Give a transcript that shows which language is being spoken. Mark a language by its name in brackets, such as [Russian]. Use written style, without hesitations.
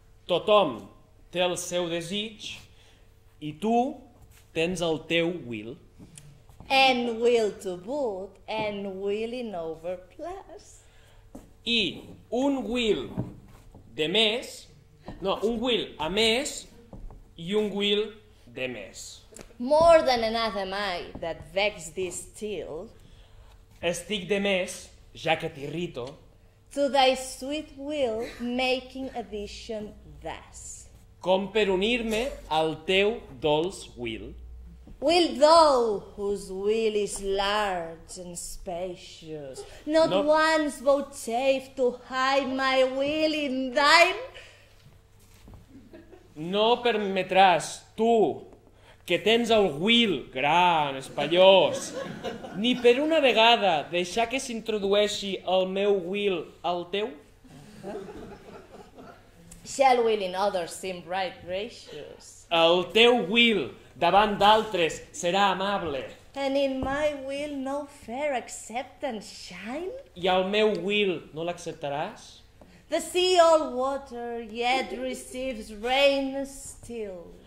[Catalan] Tothom té el seu desig i tu tens el teu will. [English] And will to boot, and will in over plus. [Catalan] I un will de més. No, un will a més i un will de més. [English] More than enough am I that vex thee still. [Catalan] Estic de més, ja que t'irrito. [English] To thy sweet will making addition thus. [Catalan] Com per unir-me al teu dolç will. [English] Will thou, whose will is large and spacious, not once vouchsafe to hide my will in thine? [Catalan] No permetràs, tu, que tens el will gran, espaiós, ni per una vegada deixar que s'introdueixi el meu will al teu? [English] Shall will in others seem right gracious? [Catalan] El teu will davant d'altres serà amable. [English] And in my will no fair acceptance shine? [Catalan] I el meu will no l'acceptaràs? [English] The sea all water, yet receives rain still.